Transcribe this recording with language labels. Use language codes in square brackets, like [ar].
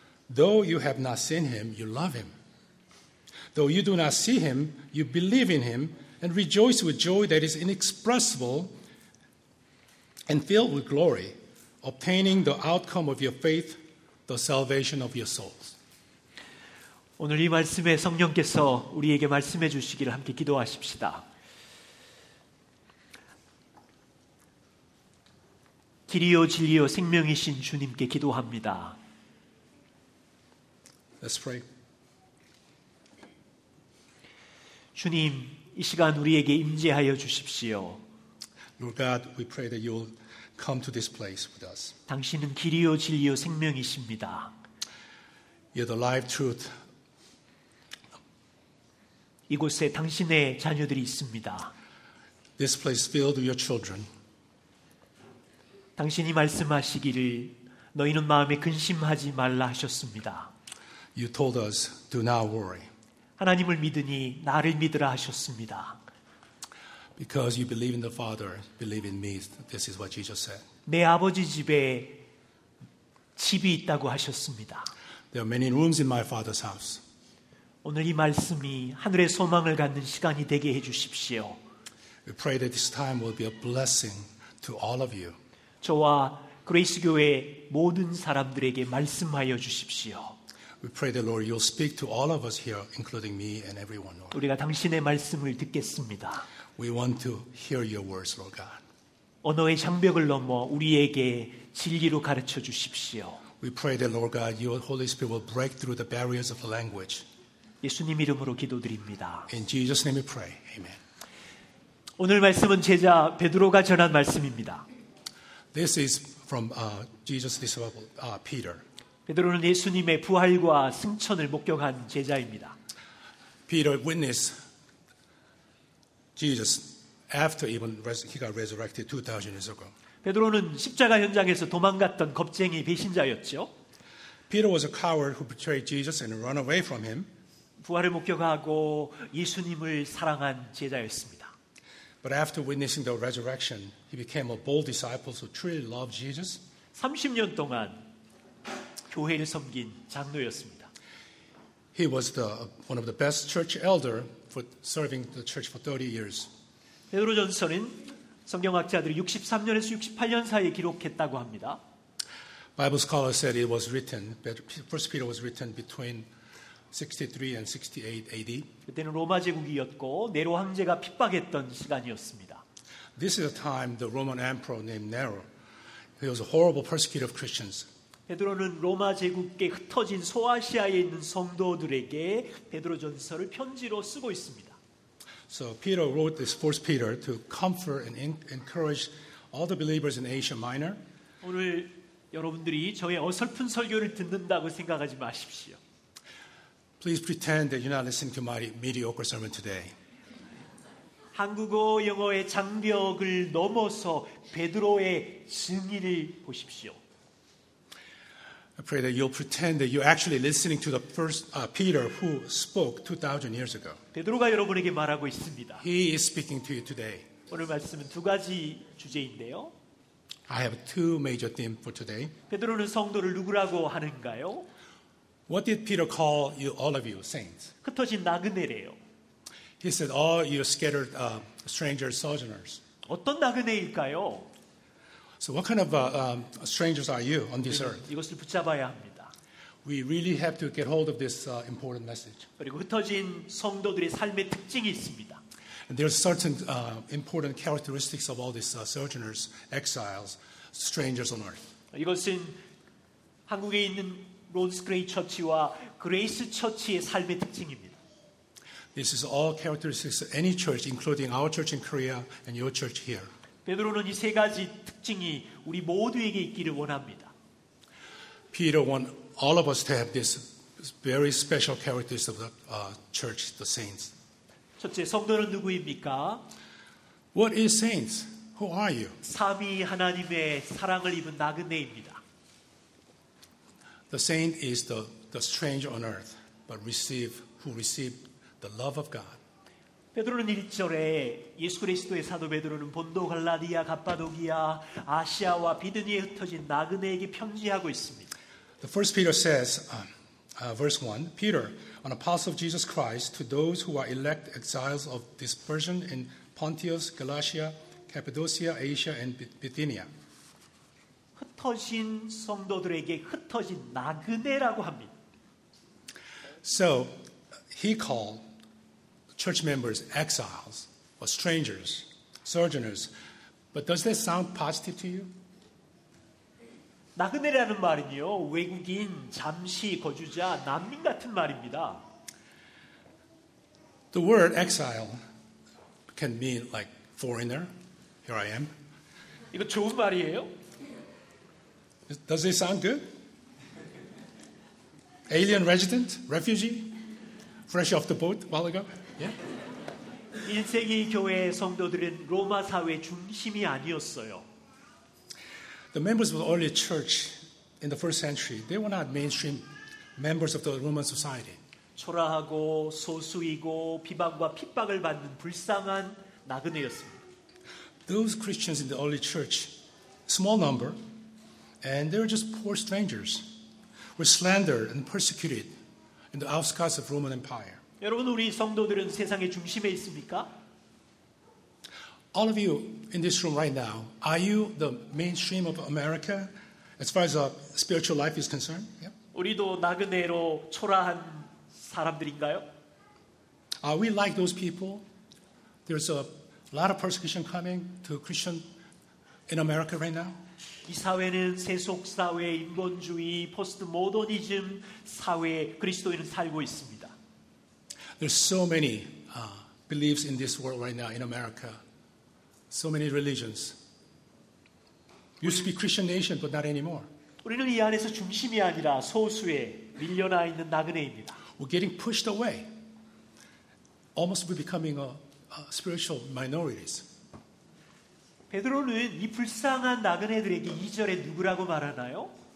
[en] Though you have not seen him, you love him. Though you do not see him, you believe in him, and rejoice with joy that is inexpressible and filled with glory, obtaining the outcome of your faith, the salvation of your souls. [ko] 오늘 이 말씀에 성령께서 우리에게 말씀해 주시기를 함께 기도하십시다. 길이요 진리요 생명이신 주님께 기도합니다. [en] Let's pray. [ko] 주님, 이 시간 우리에게 임재하여 주십시오. [en] Lord God, we pray that you'll come to this place with us. [ko] 당신은 길이요 진리요 생명이십니다. [en] You're the life truth. [ko] 이곳에 당신의 자녀들이 있습니다. [en] This place filled with your children. [ko] 당신이 말씀하시기를 너희는 마음에 근심하지 말라 하셨습니다. [en] You told us, do not worry. [ko] 하나님을 믿으니 나를 믿으라 하셨습니다. [en] Because you believe in the Father, believe in me. This is what Jesus said. [ko] 내 아버지 집에 집이 있다고 하셨습니다. [en] There are many rooms in my Father's house. [ko] 오늘 이 말씀이 하늘의 소망을 갖는 시간이 되게 해 주십시오. [en] We pray that this time will be a blessing to all of you. [ko] 저와 그레이스 교회 모든 사람들에게 말씀하여 주십시오. [en] We pray that, Lord, you'll speak to all of us here, including me and everyone, Lord. [ko] 우리가 당신의 말씀을 듣겠습니다. [en] We want to hear your words, Lord God. [ko] 언어의 장벽을 넘어 우리에게 진리로 가르쳐 주십시오. [en] We pray that, Lord God, your Holy Spirit will break through the barriers of the language. [ko] 예수님 이름으로 기도드립니다. [en] In Jesus' name we pray. Amen. [ko] 오늘 말씀은 제자 베드로가 전한 말씀입니다. [en] This is from Jesus' disciple, Peter. [ko] 베드로는 예수님의 부활과 승천을 목격한 제자입니다. [en] Peter witnessed Jesus after even he got resurrected 2000 years ago. [ko] 베드로는 십자가 현장에서 도망갔던 겁쟁이 배신자였죠. [en] Peter was a coward who betrayed Jesus and ran away from him. [ko] 부활을 목격하고 예수님을 사랑한 제자였습니다. [en] But after witnessing the resurrection, he became a bold disciple who truly loved Jesus. [ko] 30년 동안 교회를 섬긴 장로였습니다. [en] He was one of the best church elder for serving the church for 30 years. [ko] 베드로전서는 성경학자들이 63년에서 68년 사이에 기록했다고 합니다. [en] Bible scholars said it was written. First Peter was written between 63 and 68 AD. [ko] 그때는 로마 제국이었고 네로 황제가 핍박했던 시간이었습니다. [en] This is a time the Roman emperor named Nero He was a horrible persecutor of Christians. [ko] 베드로는 로마 제국에 흩어진 소아시아에 있는 성도들에게 베드로전서를 편지로 쓰고 있습니다. [en] So Peter wrote this first Peter to comfort and encourage all the believers in Asia Minor. [ko] 오늘 여러분들이 저의 어설픈 설교를 듣는다고 생각하지 마십시오. [en] Please pretend that you're not listening to my mediocre sermon today. [ko] 한국어 영어의 장벽을 넘어서 베드로의 증인을 보십시오. [en] I pray that you'll pretend that you're actually listening to the first Peter who spoke 2,000 years ago. [ko] 베드로가 여러분에게 말하고 있습니다. [en] He is speaking to you today. [ko] 오늘 말씀은 두 가지 주제인데요. [en] I have two major themes for today. [ko] 베드로는 성도를 누구라고 하는가요? [en] What did Peter call you, all of you, saints? [ko] 흩어진 나그네래요. [en] He said, all you scattered strangers, sojourners. [ko] 어떤 나그네일까요? [en] So what kind of strangers are you on this earth? [ko] 이것을 붙잡아야 합니다. [en] We really have to get hold of this important message. [ko] 그리고 흩어진 성도들의 삶의 특징이 있습니다. [en] And there are certain important characteristics of all these sojourners, exiles, strangers on earth. [ko] 이것은 한국에 있는 로즈 그레이 처치와 그레이스 처치의 삶의 특징입니다. [en] This is all characteristics of any church, including our church in Korea and your church here. [ko] 베드로는 이 세 가지 특징이 우리 모두에게 있기를 원합니다. [en] Peter wants all of us to have this very special characteristics of the church, the saints. [ko] 첫째, 성도는 누구입니까? [en] What is saints? Who are you? [ko] 삼위 하나님의 사랑을 입은 나그네입니다. [en] The saint is the stranger on earth, but who received the love of God. [ko] 베드로는 1절에 예수 그리스도의 사도 베드로는 본도 갈라디아, 갑바도기아, 아시아와 비드니에 흩어진 나그네에게 편지하고 있습니다. [en] The first Peter says, verse 1, Peter, an apostle of Jesus Christ, to those who are elect exiles of dispersion in Pontus, Galatia, Cappadocia, Asia, and Bithynia. [ko] 흩어진 성도들에게 흩어진 나그네라고 합니다. [en] So, he called church members exiles or strangers, sojourners. But does that sound positive to you? [ko] 나그네라는 말은요, 외국인, 잠시 거주자, 난민 같은 말입니다. [en] The word exile can mean like foreigner. Here I am. [ko] 이거 좋은 말이에요? [en] Does it sound good? Alien resident, refugee, fresh off the boat a while ago. Yeah. [ko] 1세기 교회의 성도들은 로마 사회 중심이 아니었어요. [en] The members of the early church in the first century, they were not mainstream members of the Roman society. [ko] 초라하고 소수이고 비방과 핍박을 받는 불쌍한 나그네였습니다. [en] Those Christians in the early church, small number, and they were just poor strangers, were slandered and persecuted in the outskirts of Roman Empire. [ko] 여러분, 우리 성도들은 세상의 중심에 있습니까? [en] All of you in this room right now, are you the mainstream of America as far as spiritual life is concerned? Yep. [ko] 우리도 나그네로 초라한 사람들인가요? [en] Are we like those people? There's a lot of persecution coming to Christian in America right now. [ko] 이 사회는 세속사회, 인본주의, 포스트모더니즘 사회에 그리스도인은 살고 있습니다. [en] There's so many beliefs in this world right now in America. So many religions. Used to be Christian nation, but not anymore. [ko] 우리는 이 안에서 중심이 아니라 소수에 밀려나 있는 나그네입니다. [en] We're getting pushed away. Almost we're becoming a spiritual minorities. [ko] 베드로는 이 불쌍한 나그네들에게 2절에 누구라고 말하나요?